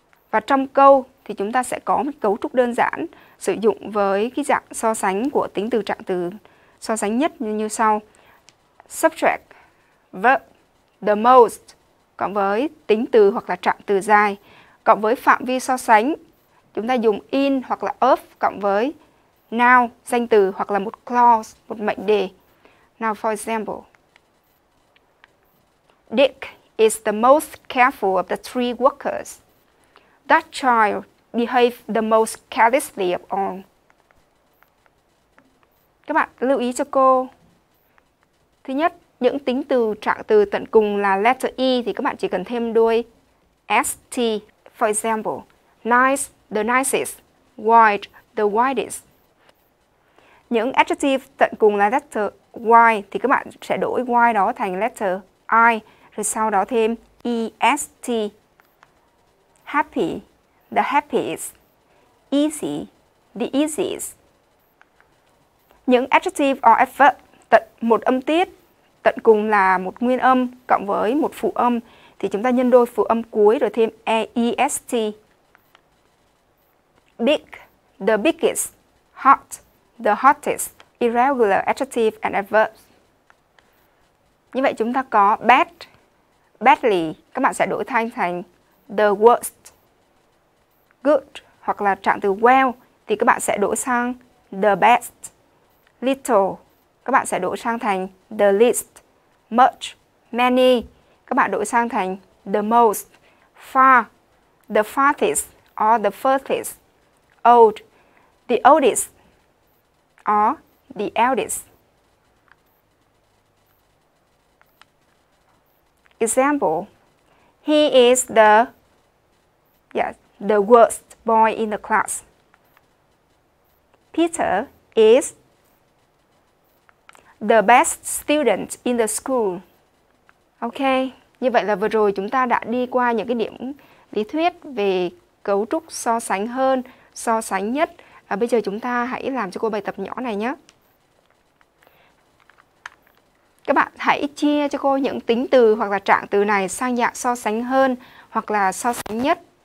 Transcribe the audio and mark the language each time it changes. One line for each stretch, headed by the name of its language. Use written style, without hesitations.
Vietnamese: Và trong câu thì chúng ta sẽ có một cấu trúc đơn giản sử dụng với cái dạng so sánh của tính từ trạng từ so sánh nhất như sau. Subject, verb, the most, cộng với tính từ hoặc là trạng từ dài, cộng với phạm vi so sánh, chúng ta dùng in hoặc là of, cộng với noun, danh từ hoặc là một clause, một mệnh đề.
English: Now for example, Dick is the most careful of the three workers. That child behaved the most carelessly of all.
Vietnamese: Các bạn lưu ý cho cô. Thứ nhất, những tính từ trạng từ tận cùng là letter E thì các bạn chỉ cần thêm đuôi ST.
English: For example, nice, the nicest, wide, the widest.
Vietnamese: Những adjective tận cùng là letter Y thì các bạn sẽ đổi Y đó thành letter I, rồi sau đó thêm EST.
English: Happy, the happiest, easy, the easiest.
Vietnamese: Những adjective or adverb tận một âm tiết, tận cùng là một nguyên âm cộng với một phụ âm thì chúng ta nhân đôi phụ âm cuối rồi thêm EST.
English: Big, the biggest, hot, the hottest, irregular adjective and adverbs.
Vietnamese: Như vậy chúng ta có bad, badly, các bạn sẽ đổi thành the worst. Good hoặc là trạng từ well thì các bạn sẽ đổi sang the best. Little, các bạn sẽ đổi sang thành the least. Much, many, các bạn đổi sang thành the most.
English: Far, the farthest or the furthest. Old, the oldest or the eldest. Example, he is the worst boy in the class. Peter is the best student in the school.
Vietnamese: Ok, như vậy là vừa rồi chúng ta đã đi qua những cái điểm lý thuyết về cấu trúc so sánh hơn, so sánh nhất. Và bây giờ chúng ta hãy làm cho cô bài tập nhỏ này nhé. Các bạn hãy chia cho cô những tính từ hoặc là trạng từ này sang dạng so sánh hơn hoặc là so sánh nhất.